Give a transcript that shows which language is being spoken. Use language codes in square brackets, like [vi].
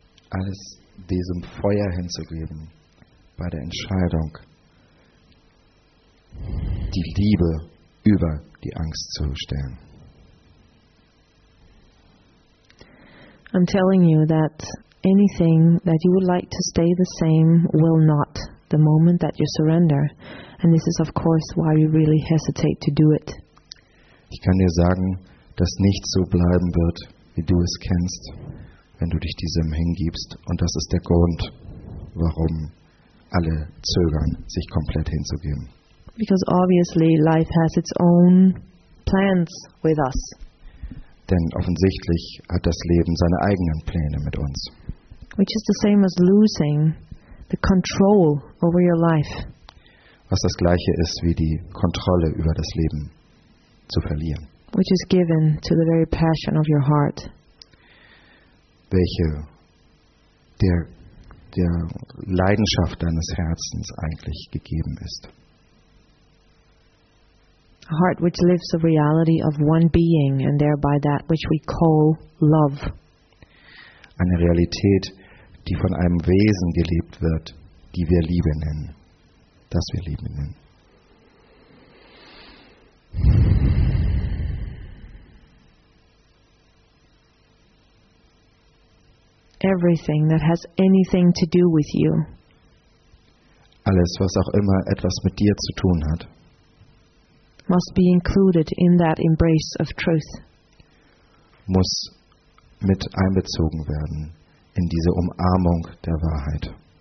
[de] Alles diesem Feuer hinzugeben, bei der Entscheidung, die Liebe über die Angst zu stellen. [en] I'm telling you that anything that you would like to stay the same will not the moment that you surrender. And this is of course why we really hesitate to do it. [de] Ich kann dir sagen, dass nichts so bleiben wird, wie du es kennst, wenn du dich diesem hingibst. Und das ist der Grund, warum alle zögern, sich komplett hinzugeben. [en] Because obviously life has its own plans with us. [de] Denn offensichtlich hat das Leben seine eigenen Pläne mit uns. [en] Which is the same as losing the control over your life. [de] Was das gleiche ist, wie die Kontrolle über das Leben zu verlieren. [en] Which is given to the very passion of your heart. [de] Welche der Leidenschaft deines Herzens eigentlich gegeben ist. [en] A heart which lives the reality of one being and thereby that which we call love. [de] Eine Realität, die von einem Wesen gelebt wird, die wir Liebe nennen. Das wir Leben nennen. [en] Everything that has anything to do with you. [de] Alles, was auch immer etwas mit dir zu tun hat, [en] must be included in that embrace of truth. [de] Muss mit einbezogen werden in diese Umarmung der Wahrheit.